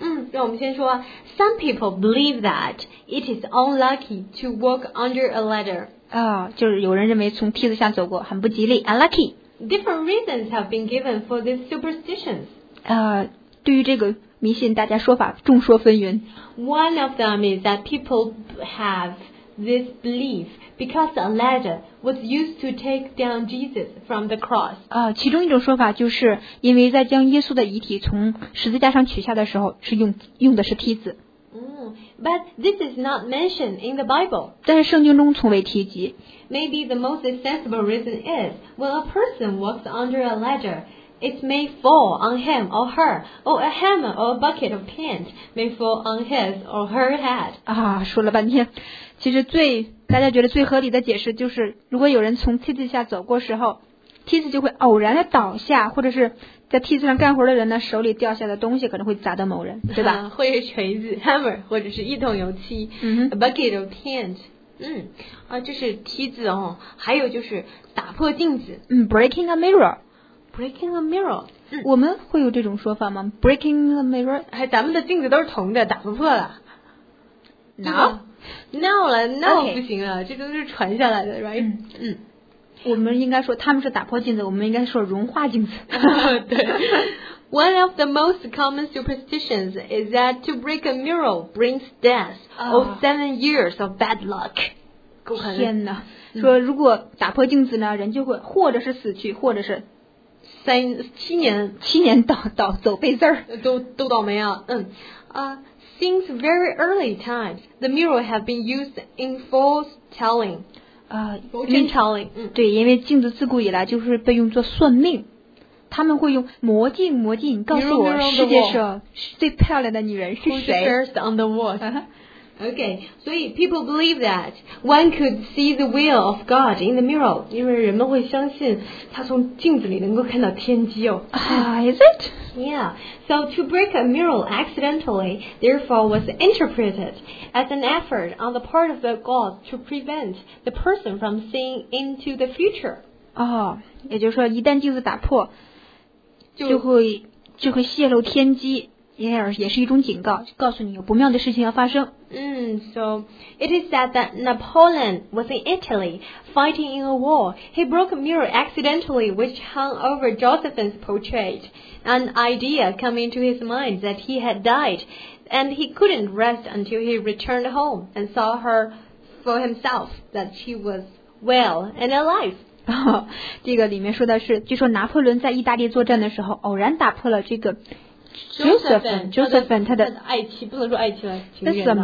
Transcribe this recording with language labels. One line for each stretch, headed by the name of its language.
Chinese: 让我们先说
English: some people believe that it is unlucky to walk under a ladder
Chinese: 啊，就是有人认为从梯子下走过很不吉利 unlucky。
English: Different reasons have been given for these superstitions。
Chinese: 对于这个迷信大家说法众说纷纭。
English: One of them is that people have this belief because a ladder was used to take down Jesus from the cross.
Chinese: 其中一种说法就是因为在将耶稣的遗体从十字架上取下的时候是用的是梯子。
English: But this is not mentioned in the Bible.
Chinese: 但是圣经中从未提及。
English: Maybe the most sensible reason is when a person walks under a ladder,It may fall on him or her, or a hammer or a bucket of paint may fall on his or her head.
Chinese: 啊，说了半天，其实大家觉得最合理的解释就是，如果有人从梯子下走过时候，梯子就会偶然的倒下，或者是在梯子上干活的人呢，手里掉下的东西可能会砸到某人，对吧？会是锤子 hammer， 或者是一桶油漆
English: a bucket of paint。
Chinese: 这是梯子哦，还有就是打破镜子，
English: breaking a mirror。 Breaking a mirror，我们会有这种说法吗 ？ Breaking a mirror，
Chinese: 哎，咱们的镜子都是铜的，打不破了。
English: No，了 no、 okay.
Chinese: 不行了，这都是传下来的 ，
English: right？
Chinese: 我们应该说他们是打破镜子，我们应该说融化镜子。对。
English: One of the most common superstitions is that to break a mirror brings death or 7 years of bad luck。
Chinese: 天哪！说如果打破镜子呢，人就会或者是死去，或者是。七年倒走背字儿，都倒霉啊。
English: Since very early times, the mirror have been used in foretelling. Fortune telling.
Chinese: 对，因为镜子自古以来就是被用作算命，他们会用魔镜，告诉我世界上最漂亮的女人是谁。
English: First on the wall. Okay, so people believe that one could see the will of God in the mirror.
Chinese: 因为人们会相信他从镜子里能够看到天机哦。
English: Is it? Yeah. So to break a mirror accidentally, therefore, was interpreted as an effort on the part of the God to prevent the person from seeing into the future.
Chinese: 也就是说一旦镜子打破就会泄露天机。也是一种警告，告诉你有不妙的事情要发生。
English: So it is said that Napoleon was in Italy fighting in a war. He broke a mirror accidentally, which hung over Josephine's portrait. An idea came into his mind that he had died, and he couldn't rest until he returned home and saw her for himself that she was well and alive.
Chinese: 这个里面说的是，据说拿破仑在意大利作战的时候，偶然打破了这个。 Josephine 他的爱妻，不能说爱妻了，情人了。